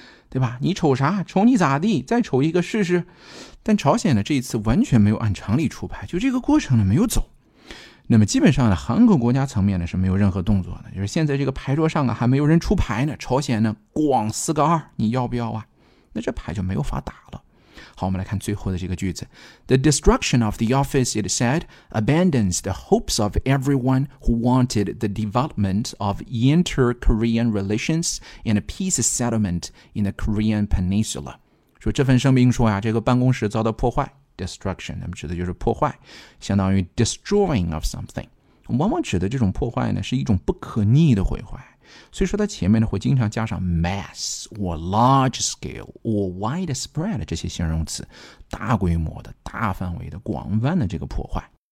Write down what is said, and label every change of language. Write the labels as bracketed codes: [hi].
[zh] 对吧，你瞅啥，瞅你咋地，再瞅一个试试。但朝鲜呢这一次完全没有按常理出牌，就这个过程呢没有走。那么基本上呢，韩国国家层面呢是没有任何动作的，就是现在这个牌桌上啊还没有人出牌呢，朝鲜呢咣四个二，你要不要啊，那这牌就没有法打了。好，我们来看最后的这个句子。 [en] The destruction of the office, it said, abandons the hopes of everyone who wanted the development of inter-Korean relations and a peace settlement in the Korean Peninsula. [zh] 说这份声明说啊，这个办公室遭到破坏， destruction, 那么指的就是破坏，相当于 [en] destroying of something。 [zh] 往往指的这种破坏呢，是一种不可逆的毁坏。所以说它前面呢会经常加上 [en] mass or large scale or widespread [zh] 这些形容词，大规模的、大范围的、广泛的这个破坏。